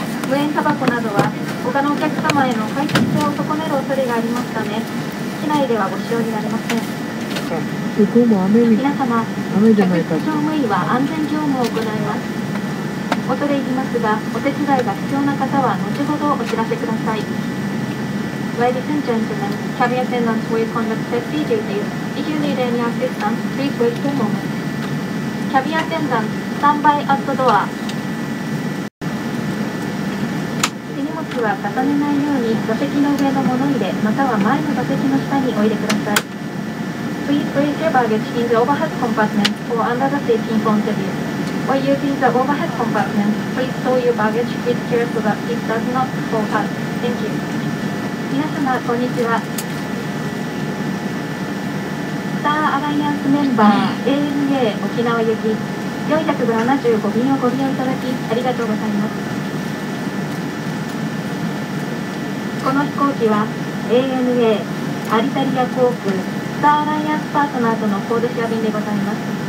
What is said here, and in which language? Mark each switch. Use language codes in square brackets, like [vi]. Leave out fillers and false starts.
[ja] 無煙タバコなどは他のお客様への快適性を損ねる恐れがありますため、機内ではご使用になれません。向こうも雨に、皆様、客室乗務員は安全業務を行います。恐れ入りますが、お手伝いが必要な方は後ほどお知らせください。 [en] Ladies and gentlemen, cabin attendants will conduct safety duties. If you need any assistance, please wait for a moment. Cabin attendants, stand by at the door. [ja] 荷物は重ねないように座席の上の物入れ、または前の座席の下に置いてください。 [en] Please place your baggage in the overhead compartment or under the seat in front of you. While using the overhead compartment, please stow your baggage with care so that it does not fall out. Thank you. [ja] 皆様こんにちは。スターアライアンスメンバー ANA 沖縄行き475便をご利用いただきありがとうございます。この飛行機は ANA アリタリア航空スターアライアンスパートナーとのコードシェア便でございます。